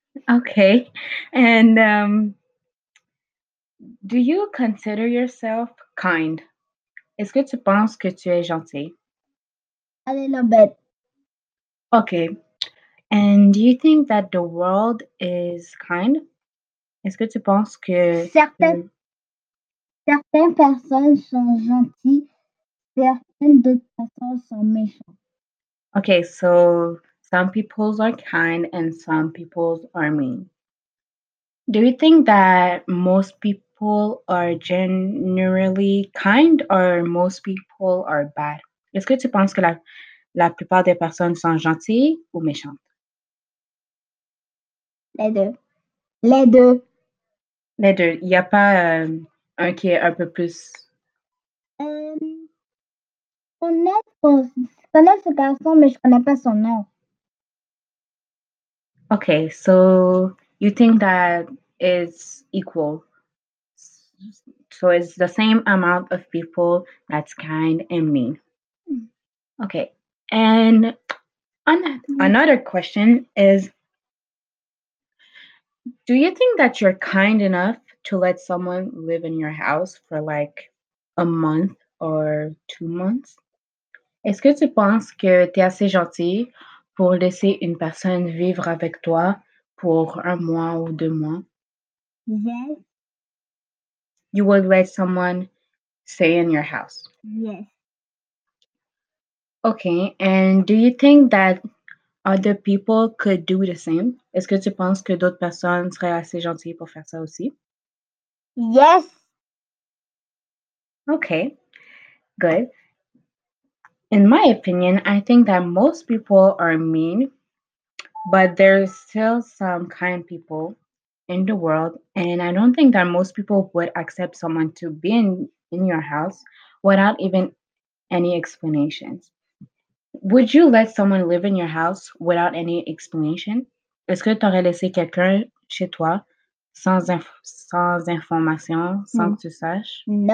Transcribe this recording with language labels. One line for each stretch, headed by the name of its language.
English: Okay, and do you consider yourself kind?
French: Est-ce que tu penses que tu es gentil?
English: A little bit. Okay, and do you think that the world is kind?
French: Est-ce que tu penses que Certaines personnes sont gentilles, certaines d'autres personnes sont méchantes.
English: Okay, so some peoples are kind and some peoples are mean. Do you think that most people are generally kind or most people are bad?
French: Est-ce que tu penses que la plupart des personnes sont gentilles ou méchantes? Les deux. Les deux, il n'y a pas un qui est un peu plus. Je connais ce garçon, mais je connais pas son nom.
English: Okay, so you think that it's equal? So it's the same amount of people that's kind and mean. Okay, and another question is, do you think that you're kind enough to let someone live in your house for like a month or 2 months?
French: Est-ce que tu penses que tu es assez gentil pour laisser une personne vivre avec toi pour 1 mois ou 2 mois?
English: You would let someone stay in your house. Okay, and do you think that other people could do the same?
French: Est-ce que tu penses que d'autres personnes seraient assez gentilles pour faire ça aussi?
English: Okay, good. In my opinion, I think that most people are mean, but there's still some kind people in the world. And I don't think that most people would accept someone to be in your house without even any explanations. Would you let someone live in your house without any explanation?
French: Est-ce que tu aurais laissé quelqu'un chez toi sans information, sans que tu saches?